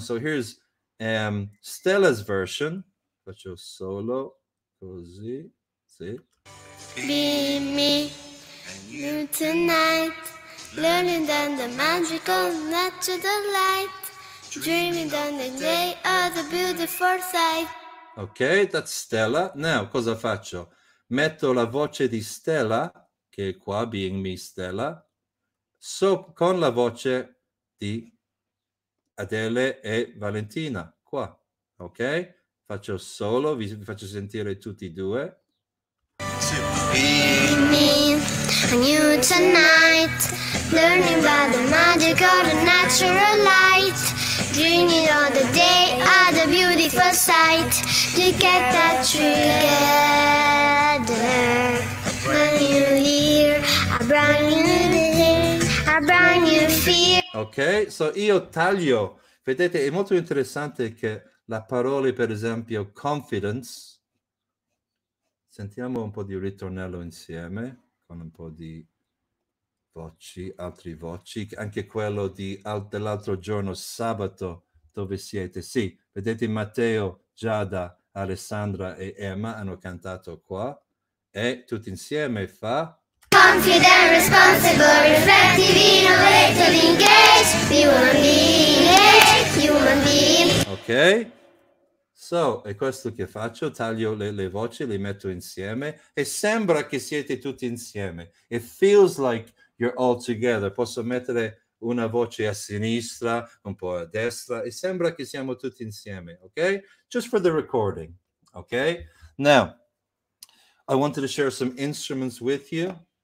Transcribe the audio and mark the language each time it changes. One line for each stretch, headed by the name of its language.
English: So here's Stella's version.
Italian: Faccio solo così, sì.
English: Be me, you tonight, learning down the magical natural light, dreaming down the day of the beautiful sight. Ok, that's Stella. Now,
Italian: cosa faccio? Metto la voce di Stella, che è qua,
English: being me Stella,
Italian: con la voce di Adele e Valentina, qua. Ok? Faccio solo, vi faccio sentire tutti e due.
English: Me, new tonight, learning by the magic of the natural light, dreaming of the day of the beautiful sight, to get that together. When you hear a brand new day, a brand new fear.
Italian: Ok, so io taglio. Vedete, è molto interessante che la parola, per esempio, confidence. Sentiamo un po' di ritornello insieme, con un po' di voci, altre voci. Anche quello dell'altro giorno, sabato, dove siete. Sì, vedete Matteo, Giada, Alessandra e Emma hanno cantato qua. E tutti insieme fa...
English: Confident, responsible, reflective, innovative, engaged, human being, human being. Ok?
Italian: So, è questo che faccio, taglio le voci, le metto insieme, e sembra che siete tutti insieme.
English: It feels like you're all together.
Italian: Posso mettere una voce a sinistra, un po' a destra, e sembra che siamo tutti insieme, ok?
English: Just for the recording, ok? Now, I wanted to share some instruments with you.